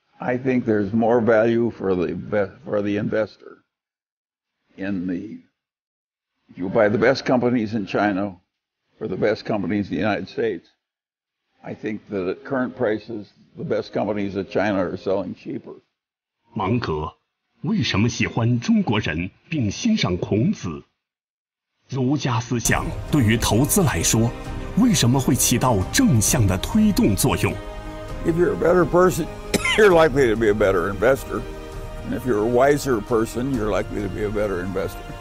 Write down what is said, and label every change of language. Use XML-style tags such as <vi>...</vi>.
<en>I think there's more value for the investor in the, you buy the best companies in China or the best companies in the United States. I think that at current prices, the best companies in China are selling cheaper.</en> <zh>芒格, 为什么喜欢中国人并欣赏孔子? 儒家思想对于投资来说, 为什么会起到正向的推动作用?</zh> <en>If you're a better person, you're likely to be a better investor. And if you're a wiser person, you're likely to be a better investor.</en>